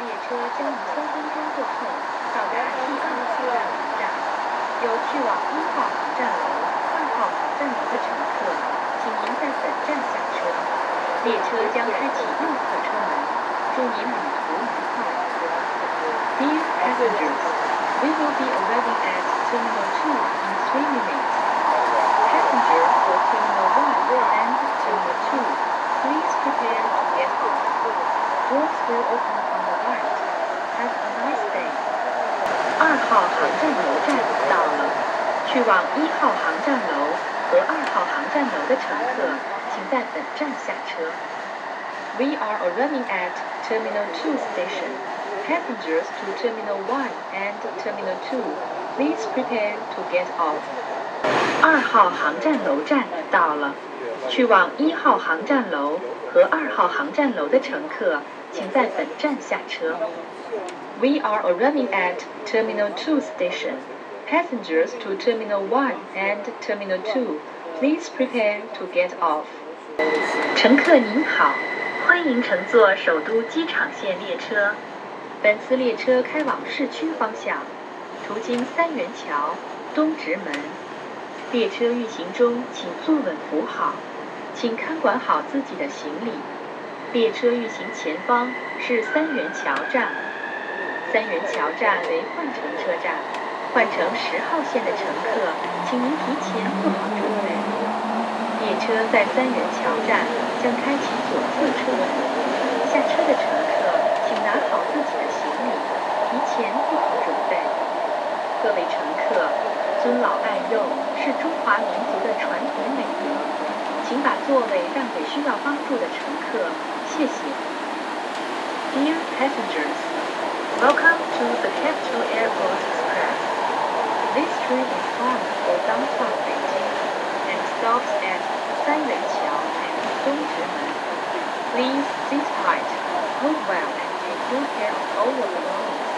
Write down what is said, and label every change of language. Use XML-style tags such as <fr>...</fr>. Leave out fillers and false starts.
<zh>车将于三分钟过后到达第二号站楼站，有去往一号航站楼、二号航站楼的乘客，请您在本站下车。列车将开启右侧车门，祝。</zh> <en>These passengers, we will be arriving at Terminal 2 in 3 minutes. Passengers for Terminal 1 and Terminal 2, please prepare to get off. Doors will open on the right. Have a nice day.</en> <zh>2号航站楼站到了。去往1号航站楼和2号航站楼的乘客请在本站下车。</zh> <en>We are arriving at Terminal 2 station. Passengers to Terminal 1 and Terminal 2, please prepare to get off.</en> <zh>2号航站楼站到了。去往1号航站楼和2号航站楼的乘客请在本站下车。</zh> <en>We are arriving at Terminal 2 station. Passengers to Terminal 1 and Terminal 2, please prepare to get off.</en> <zh>乘客您好，欢迎乘坐首都机场线列车。本次列车开往市区方向，途经三元桥、东直门。列车运行中，请坐稳扶好，请看管好自己的行李。列车运行前方是三元桥站。三元桥站为换乘车站，换乘十号线的乘客，请您提前做好准备。列车在三元桥站将开启左侧车门，下车的乘客请拿好自己的行李，提前做好准备。各位乘客，尊老爱幼是中华民族的传统美德，请把座位让给需要帮助的乘客，谢谢。</zh> <en>Dear passengers, welcome to the Capital Airport Express. This train is bound for downtown Beijing and stops at 三元桥and 东直门。 Please sit tight, move well, and take good care of all your belongings.</en>